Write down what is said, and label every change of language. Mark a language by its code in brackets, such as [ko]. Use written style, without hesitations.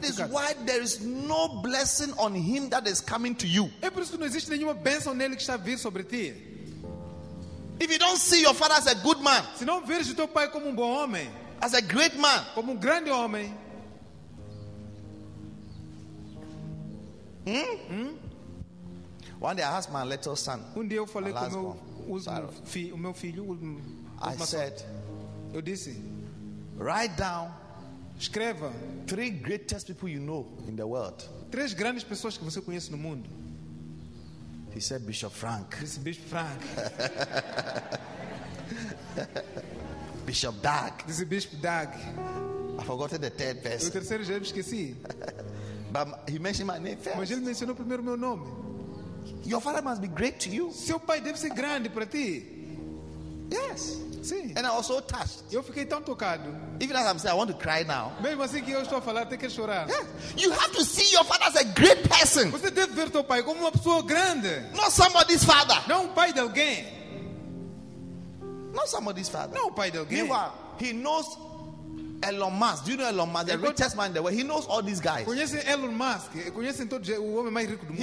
[en] That is why there is no blessing on him that is coming to you. [pt] É por isso que não existe nenhuma bênção nele que está a vir sobre ti. [en] If you don't see your father as a good man, [pt] se não vires o teu pai como bom homem, [en] as a great man, [pt] como grande homem. [en] One day I asked my little son. [pt] Eu falei com o meu filho. [en] I said, [pt] eu disse, [en] write down, [pt] escreva, [en] three greatest people you know in the world. [pt] Três grandes pessoas que você conhece no mundo. [en] He said, Bishop Frank. [pt] Disse, Bishop Frank. [en] Bishop Doug. [pt] Disse, Bishop Doug. [en] I forgot the third person. [pt] O terceiro já esqueci. [en] But he mentioned my name first. [pt] Mas ele mencionou primeiro meu nome. [en] Your father must be great to you. [pt] Seu pai deve ser grande para ti. [en] Yes. [pt] Sim. [en] And I was so touched. [pt] Eu fiquei tão tocado. [en] Even as I'm saying, I want to cry now. [pt] Mesmo assim que eu estou a falar, tenho que chorar. [en] Yes. You have to see your father as a great person. [pt] Você deve ver teu pai como uma pessoa grande. [en] Not somebody's father. [pt] Não pai de alguém. [en] Not somebody's father. [pt] Não pai de alguém. [en] Meanwhile, he knows Elon Musk. Do you know Elon Musk? The richest man in the world. He knows all these guys. [pt] Conhece Elon Musk. Conhece todos, o homem mais rico do mundo.